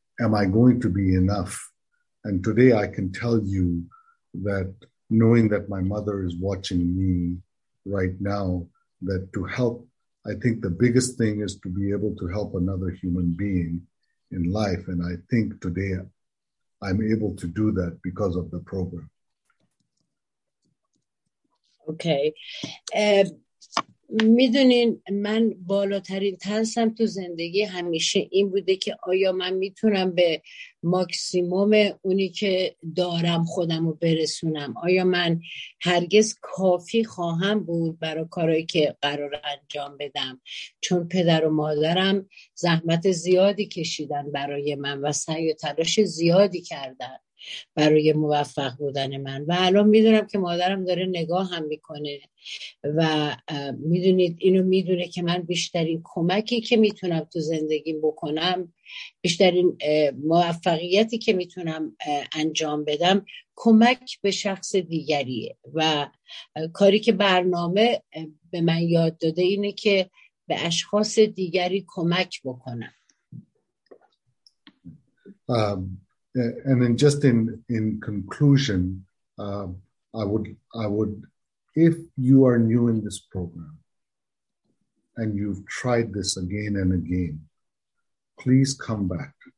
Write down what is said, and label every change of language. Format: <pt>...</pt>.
<en>Am I going to be enough? And today I can tell you that knowing that my mother is watching me right now, that to help, I think the biggest thing is to be able to help another human being in life. And I think today I'm able to do that because of the program. Okay.</en> <fa>میدونین من بالاترین ترسم تو زندگی همیشه این بوده که آیا من میتونم به ماکسیموم اونی که دارم خودمو برسونم، آیا من هرگز کافی خواهم بود برای کارهایی که قرار انجام بدم، چون پدر و مادرم زحمت زیادی کشیدن برای من و سعی و تلاش زیادی کردن برای موفق بودن من، و الان میدونم که مادرم داره نگاه هم میکنه و میدونید اینو میدونه که من بیشترین کمکی که میتونم تو زندگی بکنم، بیشترین موفقیتی که میتونم انجام بدم کمک به شخص دیگریه، و کاری که برنامه به من یاد داده اینه که به اشخاص دیگری کمک بکنم.</fa> <en>And then just in conclusion, I would, if you are new in this program and you've tried this again and again, please come back.</en>